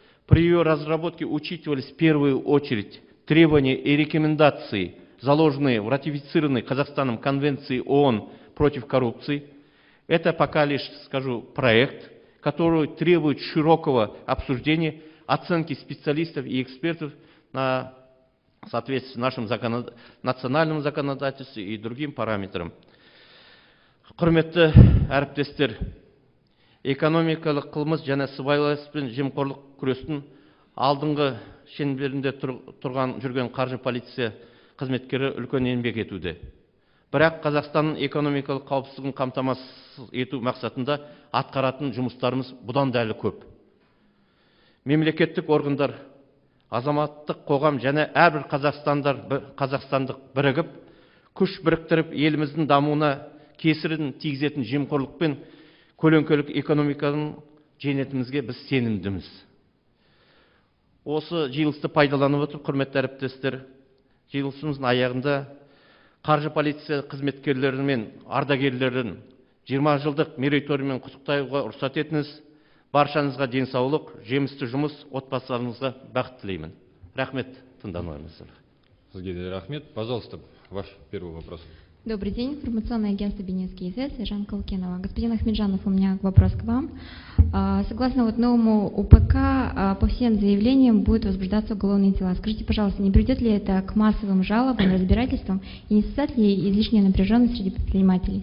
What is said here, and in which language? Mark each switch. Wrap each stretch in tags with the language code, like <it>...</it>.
<ru>При ее разработке учитывались в первую очередь требования и рекомендации, заложенные в ратифицированной Казахстаном конвенции ООН против коррупции. Это пока лишь, скажу, проект, который требует широкого обсуждения, оценки специалистов и экспертов на соответствии с нашим национальным законодательством и другим параметрам.</ru> <kk>Құрметті әріптестер, экономикалық қылмыс және сыбайлас пен жемқорлық күрестің алдыңғы шеңберінде тұрған жүрген қаржы полиция қызметкері үлкен еңбек етуде. Бірақ Қазақстанның экономикалық қауіпсіздігін қамтамасыз ету мақсатында атқаратын жұмыстарымыз бұдан да әлі көп. Мемлекеттік органдар, азаматтық қоғам және әрбір қазақстандық бірігіп, күш біріктіріп, еліміздің дамуына кесірін тигізетін жемқорлық пен көлеңкелік экономиканың жеңетімізге біз сенімдіміз. Осы жиылысты пайдаланып отырып, құрметті әріптестер, жиылысымыздың аяғында қаржы полиция қызметкерлері мен ардагерлерін 20 жылдық мерейтойымен құттықтауға рұқсат етіңіз. Баршаңызға денсаулық, жемісті жұмыс, отбасыларыңызға бақыт тілеймін. Рахмет, тыңдағаныңызға. Сізге де рахмет.</kk> <ru>Пожалуйста, ваш первый вопрос. Добрый день, информационное агентство «Бенец КИЗ», Жан Калкенова. Господин Ахметжанов, у меня вопрос к вам. Согласно вот новому УПК, по всем заявлениям будут возбуждаться уголовные дела. Скажите, пожалуйста, не приведет ли это к массовым жалобам, разбирательствам и не создаст ли излишняя напряженность среди предпринимателей?</ru>